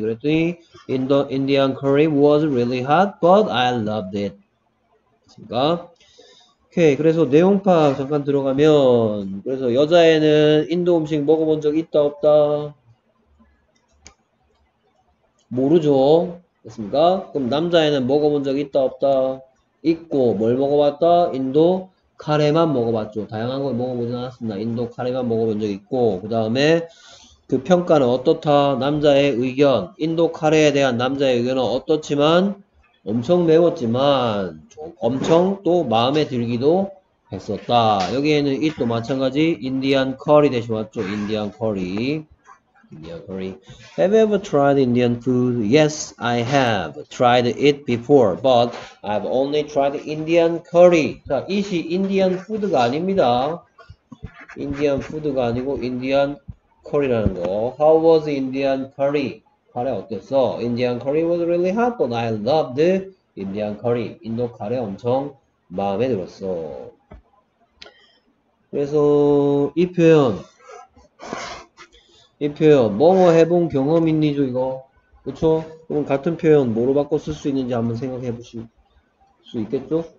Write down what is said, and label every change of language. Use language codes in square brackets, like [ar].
[ko] 그랬더니 [en] Indian curry was really hot, but I loved it. [ko] 그러니까 오케이. 그래서 내용 파악 잠깐 들어가면 그래서 여자애는 인도 음식 먹어본 적 있다 없다? 모르죠. 그렇습니까? 그럼 남자애는 먹어본 적 있다 없다? 있고 뭘 먹어봤다? 인도 카레만 먹어봤죠. 다양한 걸 먹어보진 않았습니다. 인도 카레만 먹어본 적 있고 그 다음에 그 평가는 어떻다? 남자의 의견. 인도 카레에 대한 남자의 의견은 어떻지만 엄청 매웠지만 엄청 또 마음에 들기도 했었다. 여기에는 it도 마찬가지 인디안 커리 대신 왔죠. [en] 인디안 커리. 인디안 커리. Have you ever tried Indian food? Yes, I have tried it before, but I've only tried Indian curry. [ko] 자, it이 인디안 푸드가 아닙니다. 인디안 푸드가 아니고 인디안 커리라는 거. [en] How was Indian curry? [ko] 카레 어땠어? [en] Indian curry was really hot, but I loved Indian curry. [ko] 인도 카레 엄청 마음에 들었어. 그래서 이 표현, 이 표현 뭐뭐 해본 경험 있니죠 이거? 그렇죠? 그럼 같은 표현 뭐로 바꿔 쓸수 있는지 한번 생각해 보실 수 있겠죠?